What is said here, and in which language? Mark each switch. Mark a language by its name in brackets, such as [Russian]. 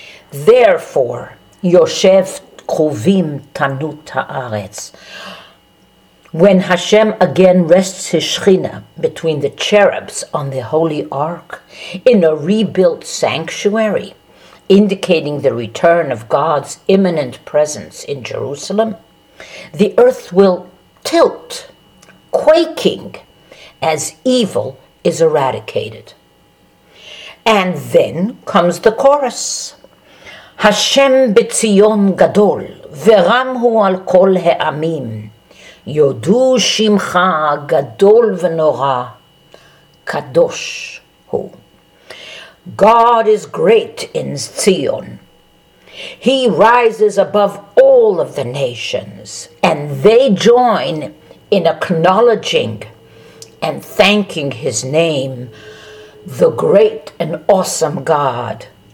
[English] Therefore, [Hebrew] Yoshev Kruvim Tanut Haaretz, [English] when Hashem again rests his Shekhinah between the cherubs on the Holy Ark in a rebuilt sanctuary, indicating the return of God's imminent presence in Jerusalem, the earth will tilt, quaking, as evil is eradicated. And then comes the chorus, [Hebrew] השם בציון גדול ורם הוא על כל העמים, יודו שמך גדול ונורא, קדוש הוא. [English] God is great in Zion. He rises above all of the nations, and they join in acknowledging and thanking his name, the great and awesome God.